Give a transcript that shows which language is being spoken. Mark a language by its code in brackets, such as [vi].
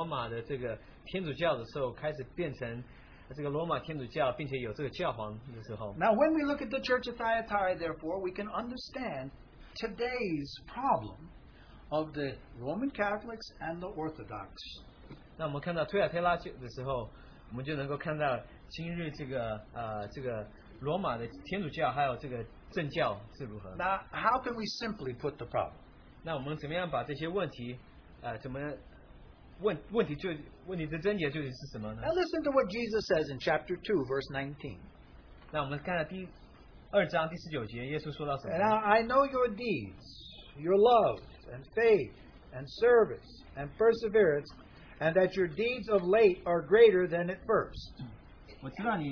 [zh] 那推亚推拉这个教会，它设立，它就是差不多在这个罗马的这个天主教的时候开始变成。 [en] Now when we look at the church of Thyatira, therefore, we can understand today's problem of the Roman Catholics and the Orthodox. [zh] 那我们看到推亚推拉的时候，我们就能够看到今日这个罗马的天主教还有这个正教是如何。 [en] Now how can we simply put the problem? [zh] 那我们怎么样把这些问题，怎么问题就？ [en] Now listen to what Jesus says in chapter 2, verse 19. [zh] 那我们看第二章第十九节，耶稣说到什么？ [en] Now I know your deeds, your love, and faith, and service, and perseverance, and that your deeds of late are greater than at first.